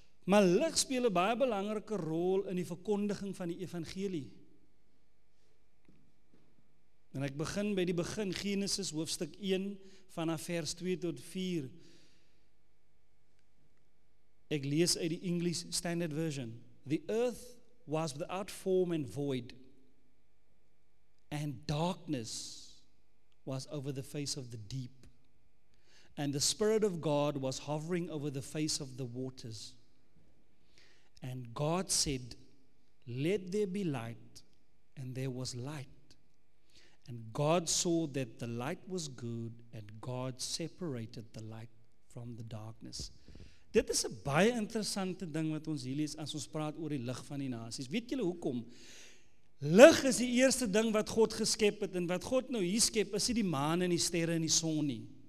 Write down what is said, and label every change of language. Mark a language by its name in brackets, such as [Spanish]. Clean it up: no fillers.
[Afrikaans] Maar lig speel 'n baie belangrike rol in die verkondiging van die evangelie. En ek begin by die begin, Genesis hoofstuk 1 vanaf vers 2 tot 4. Ek lees uit die English Standard Version. [English] The earth was without form and void, and darkness was over the face of the deep. And the Spirit of God was hovering over the face of the waters. And God said, let there be light, and there was light. And God saw that the light was good, and God separated the light from the darkness. [Afrikaans] Dit is 'n baie interessante ding wat ons hier lees, as ons praat oor die lig van die nasies. Weet julle hoekom? Lig is die eerste ding wat God geskep het, en wat God nou hier skep, is nie die maan en die sterre en die son nie.